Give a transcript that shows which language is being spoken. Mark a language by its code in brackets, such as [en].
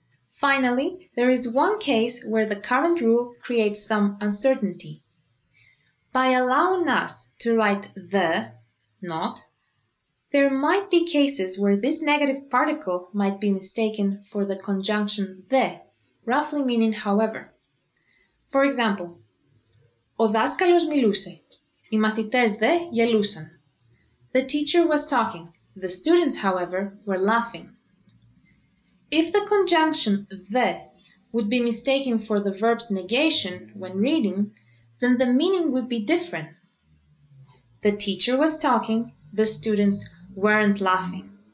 [en] Finally, there is one case where the current rule creates some uncertainty. By allowing us to write the, not, there might be cases where this negative particle might be mistaken for the conjunction the, roughly meaning however. For example, [el] ο δάσκαλος μιλούσε, οι μαθητές δε γελούσαν. [en] The teacher was talking, the students, however, were laughing. If the conjunction the would be mistaken for the verb's negation when reading, then the meaning would be different. The teacher was talking, the students weren't laughing.